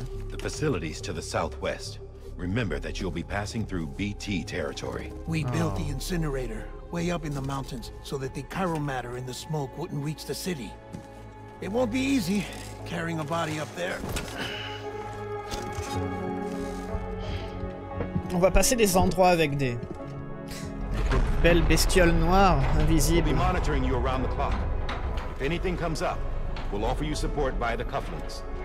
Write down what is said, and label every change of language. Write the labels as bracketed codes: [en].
[en] The facilities to the southwest. Remember that you'll be passing through BT territory. We built the incinerator way up in the mountains so that the chiromatter in the smoke wouldn't reach the city. It won't be easy carrying a body up there. [fr] On va passer des endroits avec des belles bestioles noires invisibles. [en] We'll be monitoring you around the clock. If anything comes up, we'll offer you support by the cufflinks.